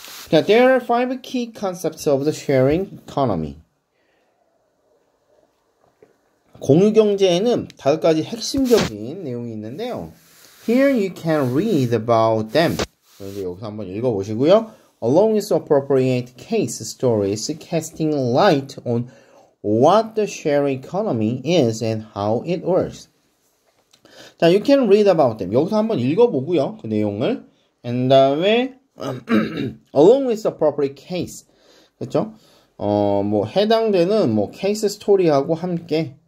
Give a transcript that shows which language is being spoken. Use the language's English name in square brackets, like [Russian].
[English] 자, there are five key concepts of the sharing economy. [Korean] 공유 경제에는 다섯 가지 핵심적인 내용이 있는데요. [English] Here you can read about them. [Korean] 그래서 여기서 한번 읽어보시고요. [English] Along with appropriate case stories casting light on what the sharing economy is and how it works. 자, you can read about them. [Korean] 여기서 한번 읽어보고요. 그 내용을. [English] And [Korean] 다음에 [English] along with appropriate case. [Korean] 그쵸? 뭐, 해당되는, 뭐, 케이스 스토리하고 함께.